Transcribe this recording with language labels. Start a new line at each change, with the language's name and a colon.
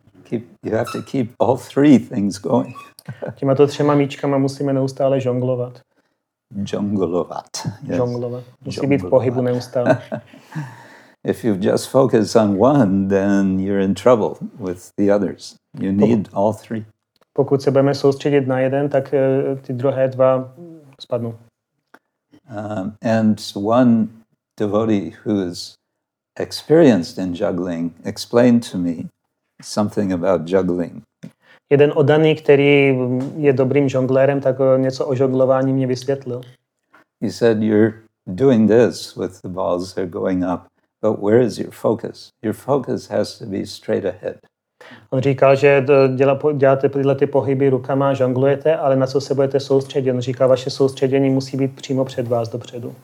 English: You have to keep all three things going.
Czech: Těmito třema míčkama musíme neustále žonglovat. Žonglovat.
English: Yes.
Czech: Žonglovat. Musí být v pohybu neustále.
English: If you just focus on one, then you're in trouble with the others. You need all three.
Czech: Pokud se budeme soustředit na jeden, tak ty druhé dva spadnou.
English: And one devotee who is experienced in juggling explained to me something about juggling.
Czech: Jeden oddaný, který je dobrým žonglérem, tak něco o žonglování mě vysvětlil.
English: He said, you're doing this with the balls that are going up, but where is your focus? Your focus has to be straight ahead.
Czech: On říkal, že děláte tyhle ty pohyby rukama, žonglujete, ale na co se budete soustředit? On říkal, vaše soustředění musí být přímo před vás, dopředu.